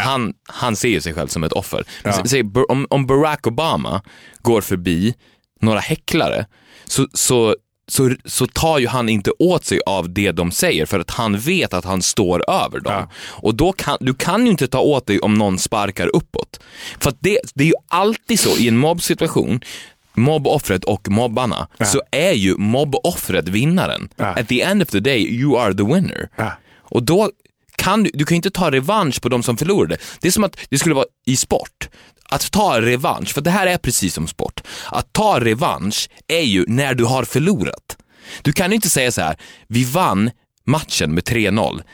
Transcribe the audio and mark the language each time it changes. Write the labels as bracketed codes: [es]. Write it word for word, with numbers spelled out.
[sv] han, han ser ju sig själv som ett offer ja. Se, om, om Barack Obama går förbi några häcklare så, så Så, så tar ju han inte åt sig av det de säger för att han vet att han står över dem. Ja. Och då kan, du kan ju inte ta åt dig om någon sparkar uppåt. För att det, det är ju alltid så i en mobbsituation, mobboffret och mobbarna, ja. Så är ju mobboffret vinnaren. Ja. [en] At the end of the day, you are the winner. [sv] Ja. Och då kan du, du kan ju inte ta revansch på de som förlorade. Det är som att det skulle vara i sport. Att ta revansch, för det här är precis som sport. Att ta revansch är ju när du har förlorat. Du kan ju inte säga så här, vi vann matchen med tre noll.